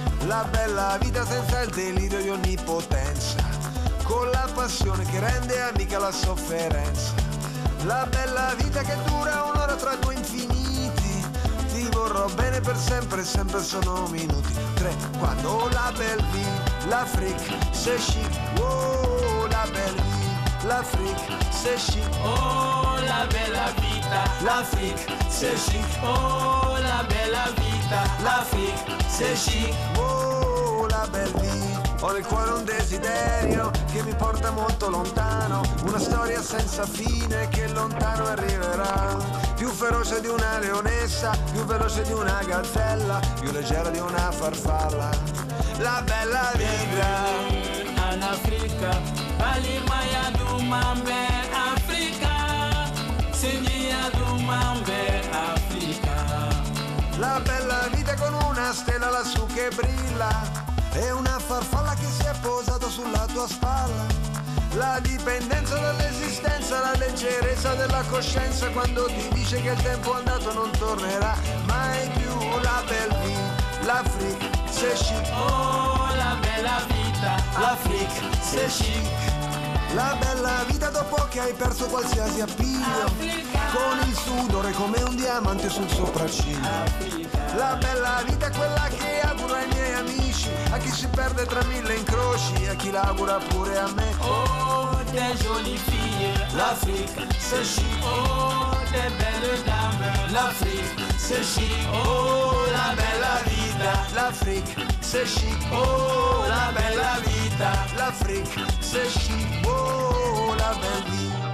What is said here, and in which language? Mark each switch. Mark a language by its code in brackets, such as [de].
[it] La bella vita senza il delirio di onnipotenza, con la passione che rende amica la sofferenza. La bella vita che dura un'ora tra due infiniti. Ti vorrò bene per sempre, sempre sono minuti. Tre, quando [fr] la belle vie, l'Afrique, c'est chic. Oh, la belle vie, l'Afrique, c'est chic. [it] Oh, la bella vita, [fr] l'Afrique, c'est chic. [it] Oh, la bella vita, [fr] l'Afrique, c'est chic. Oh, la belle vie. [it] Ho nel cuore un desiderio che mi porta molto lontano, una storia senza fine che lontano arriverà. Più feroce di una leonessa, più veloce di una gazzella, più leggera di una farfalla. La bella vita in Africa. Bali Maya Doumambe Africa. Sinia Doumambe Africa. La bella vita con una stella lassù che brilla, è una farfalla che si è posata sulla tua spalla. La dipendenza dall'esistenza, la leggerezza della coscienza, quando ti dice che il tempo andato non tornerà mai più. [fr] La belle vie, l'Afrique, c'est chic. [it] Oh, la bella vita, [fr] l'Afrique, c'est chic. [it] La bella vita dopo che hai perso qualsiasi appiglio, con il sudore come un diamante sul sopracciglio. La bella vita quella che auguro ai miei amici, a chi si perde tra mille incroci, a chi l'augura pure a me. [fr] Oh, des jolies filles, l'Afrique, c'est chic. Oh, des belles dames, l'Afrique, c'est chic. [it] Oh, la bella vita, [fr] l'Afrique, c'est chic. [it] Oh, la bella vita, [fr] l'Afrique, c'est chic. Oh, la belle vie.